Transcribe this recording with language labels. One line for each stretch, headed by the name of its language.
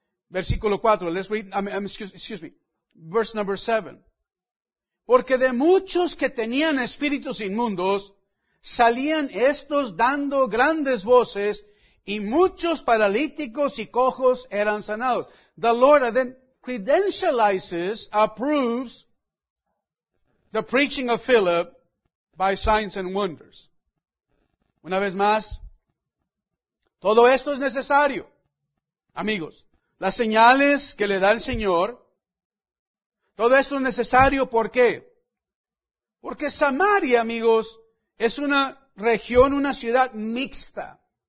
Spanish: Versículo 4,
English: verse number 7.
Spanish: Porque de muchos que tenían espíritus inmundos, salían estos dando grandes voces, y muchos paralíticos y cojos eran sanados.
English: The Lord then credentializes, approves the preaching of Philip by signs and wonders.
Spanish: Una vez más, todo esto es necesario, amigos. Las señales que le da el Señor, todo esto es necesario, ¿por qué? Porque Samaria, amigos, es una región, una ciudad mixta.